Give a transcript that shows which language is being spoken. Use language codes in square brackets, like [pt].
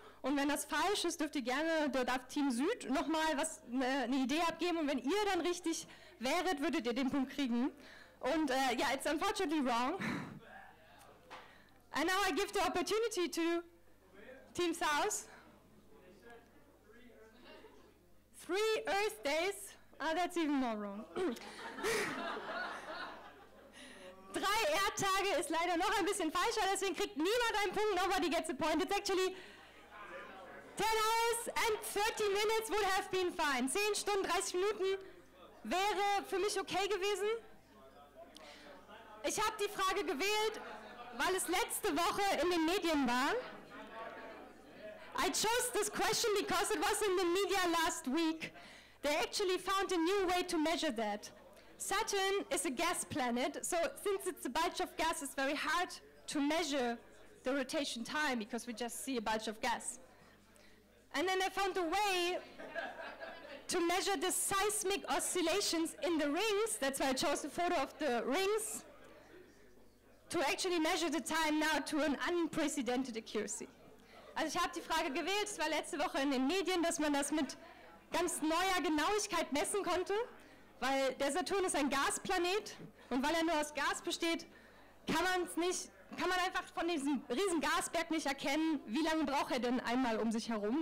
[de] Und wenn das falsch ist, dürft ihr gerne, da darf Team Süd nochmal eine Idee abgeben. Und wenn ihr dann richtig wäret, würdet ihr den Punkt kriegen. Und ja, [en] it's unfortunately wrong. And now I give the opportunity to Team South. 3 Earth Days. Ah, that's even more wrong. [de] Drei Erdtage ist leider noch ein bisschen falscher, deswegen kriegt niemand einen Punkt. [en] Nobody gets a point. It's actually 10 hours and 30 minutes would have been fine. [de] 10 Stunden, 30 Minuten wäre für mich okay gewesen. Ich habe die Frage gewählt, weil es letzte Woche in den Medien war. [en] I chose this question because it was in the media last week. They actually found a new way to measure that. Saturn is a gas planet, so since it's a bunch of gas, it's very hard to measure the rotation time because we just see a bunch of gas. And then they found a way to measure the seismic oscillations in the rings, that's why I chose the photo of the rings, to actually measure the time now to an unprecedented accuracy. [de] Also ich habe die Frage gewählt, es war letzte Woche in den Medien, dass man das mit ganz neuer Genauigkeit messen konnte, weil der Saturn ist ein Gasplanet und weil er nur aus Gas besteht, kann man einfach von diesem riesen Gasberg nicht erkennen, wie lange braucht er denn einmal um sich herum.